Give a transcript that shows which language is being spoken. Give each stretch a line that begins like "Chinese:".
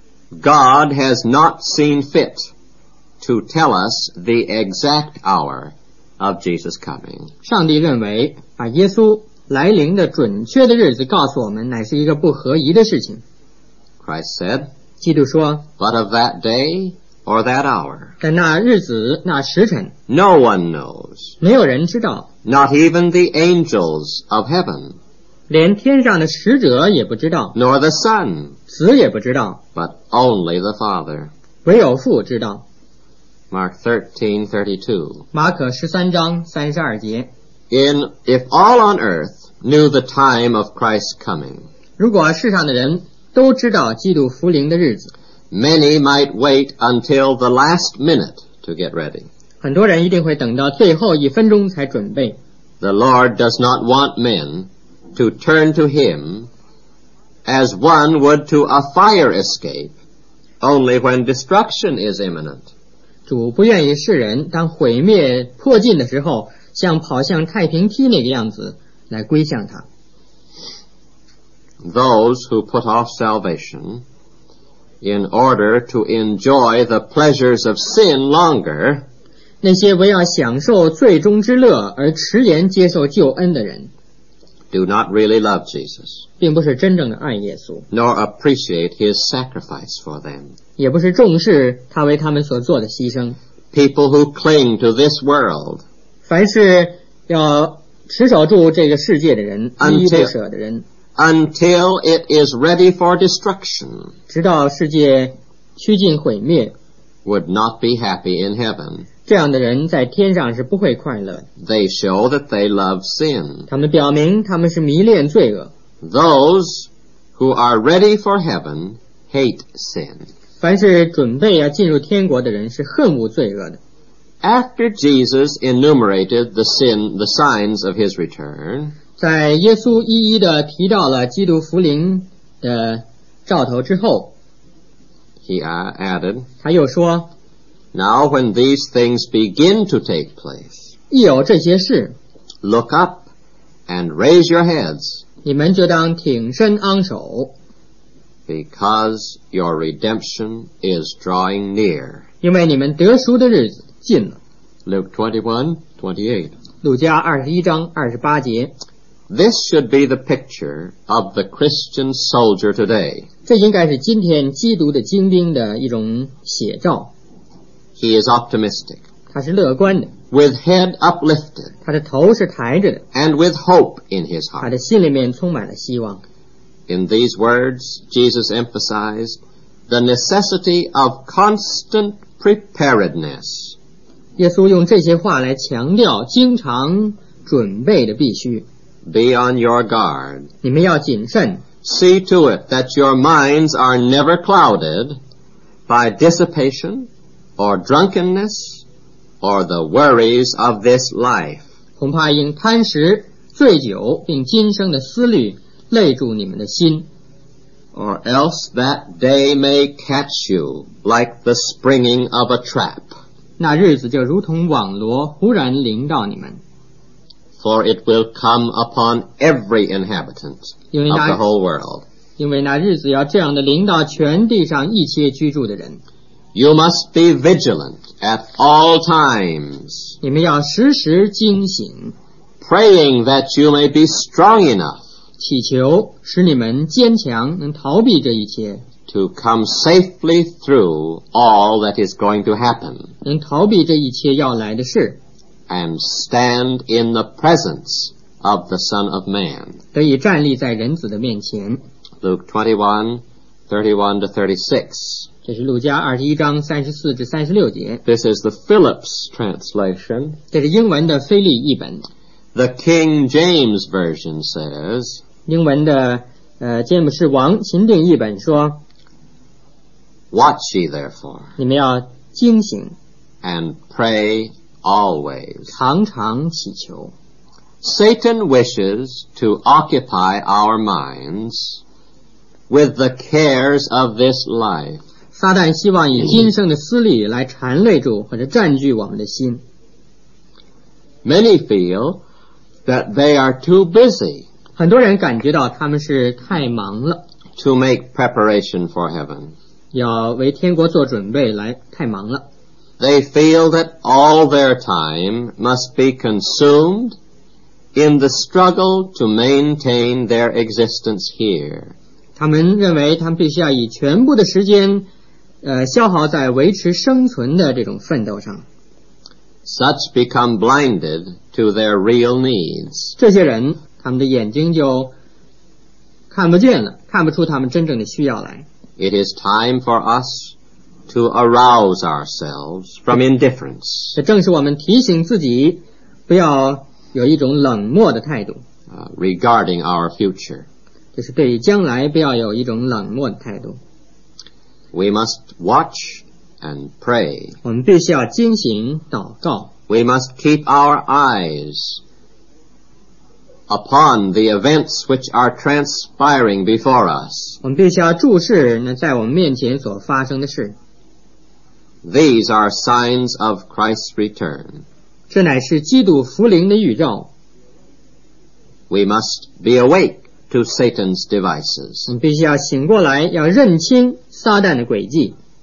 English: God has not seen fit to tell us the exact hour of Jesus' coming.
Chinese: 上帝认为把耶稣来临的准确的日子告诉我们乃是一个不合宜的事情。
English: Christ said,
Chinese: 基督说，
English: But of that day or that hour,
Chinese: 但那日子那时辰，
English: No one knows,
Chinese: 没有人知道，
English: Not even the angels of heaven,
Chinese: 连天上的使者也不知道，
English: Nor the Son,
Chinese: 子也不知道，
English: But only the Father,
Chinese: 唯有父知道。
English: Mark 13:32,
Chinese: 马可13章32节。
English: If all on earth knew the time of Christ's coming,
Chinese: 如果世上的人都知道基督复临的日子，
English: many might wait until the last minute to get ready.
Chinese: 很多人一定会等到最后一分钟才准备。
English: The Lord does not want men to turn to him as one would to a fire escape only when destruction is imminent.
Chinese: 主不愿意世人当毁灭迫近的时候像跑向太平梯那个样子来归向他。
English: Those who put off salvation in order to enjoy the pleasures of sin longer,
Chinese: 那些为要享受最终之乐而迟延接受救恩的人
English: do not really love Jesus,
Chinese: 并不是真正的爱耶稣
English: nor appreciate his sacrifice for them,
Chinese: 也不是重视他为他们所做的牺牲。
English: People who cling to this world,
Chinese: 凡是要持守住这个世界的人，依依不舍的人。
English: Until it is ready for destruction,
Chinese: 直到世界趋近毁灭
English: would not be happy in heaven.
Chinese: 这样的人在天上是不会快乐的。
English: They show that they love sin.
Chinese: 他们表明他们是迷恋罪恶。
English: Those who are ready for heaven hate sin.
Chinese: 凡是准备要进入天国的人是恨恶罪恶的。
English: After Jesus enumerated the signs of his return,
Chinese: 在耶稣一一地提到了基督复临的兆头之后
English: he added,
Chinese: 他又说
English: Now when these things begin to take place,
Chinese: 一有这些事
English: look up and raise your heads,
Chinese: 你们就当挺身昂首
English: because your redemption is drawing near,
Chinese: 因为你们得赎的日子近了
English: Luke 21:28
Chinese: 路加21:28
English: This should be the picture of the Christian soldier today.
Chinese: 这应该是今天基督的精兵的一种写照。
English: He is optimistic.
Chinese: 他是乐观的。
English: With head uplifted.
Chinese: 他的头是抬着的。
English: And with hope in his heart.
Chinese: 他的心里面充满了希望。
English: In these words, Jesus emphasized the necessity of constant preparedness.
Chinese: 耶稣用这些话来强调经常准备的必须。
English: Be on your guard.
Chinese: 你们要谨慎。
English: See to it that your minds are never clouded by dissipation or drunkenness or the worries of this life.
Chinese: 恐怕因贪食、醉酒并今生的思虑累住你们的心。
English: Or else that day may catch you like the springing of a trap.
Chinese: 那日子就如同网罗忽然临到你们。
English: For it will come upon every inhabitant of the whole world.
Chinese: 因为那日子要这样的临到全地上一切居住的人。
English: You must be vigilant at all times.
Chinese: 你们要时时惊醒。
English: Praying that you may be strong enough.
Chinese: 祈求使你们坚强能逃避这一切。
English: To come safely through all that is going to happen.
Chinese: 能逃避这一切要来的事。
English: And stand in the presence of the Son of Man.
Chinese: 得以站立在人子的面前。
English: Luke 21:31-36.
Chinese: 这是路加21:34-36.
English: This is the Phillips translation.
Chinese: 这是英文的腓立译本。
English: The King James Version says,
Chinese: 英文的詹姆士王钦定译本说,
English: Watch ye therefore.
Chinese: 你们要惊醒。
English: And pray always.
Chinese: 常常祈求。
English: Satan wishes to occupy our minds with the cares of this life.
Chinese: 撒旦希望以今生的思虑来缠累住或者占据我们的心。
English: Many feel that they are too busy.
Chinese: 很多人感觉到他们是太忙了。
English: To make preparation for heaven.
Chinese: 要为天国做准备来太忙了。
English: They feel that all their time must be consumed in the struggle to maintain their existence here.
Chinese: 他们认为他们必须要以全部的时间消耗在维持生存的这种奋斗上。
English: Such become blinded to their real needs.
Chinese: 这些人他们的眼睛就看不见了，看不出他们真正的需要来。
English: It is time for us to arouse ourselves from indifference.
Chinese: 这正是我们提醒自己不要有一种冷漠的态度。
English: Regarding our future.
Chinese: 就是对于将来不要有一种冷漠的态度。
English: We must watch and pray.
Chinese: 我们必须要警醒祷告。
English: We must keep our eyes upon the events which are transpiring before us.
Chinese: 我们必须要注视那在我们面前所发生的事。
English: These are signs of Christ's return.
Chinese: 这乃是基督复临的预兆。
English: We must be awake to Satan's devices.
Chinese: 我们必须要醒过来，要认清撒旦的诡计。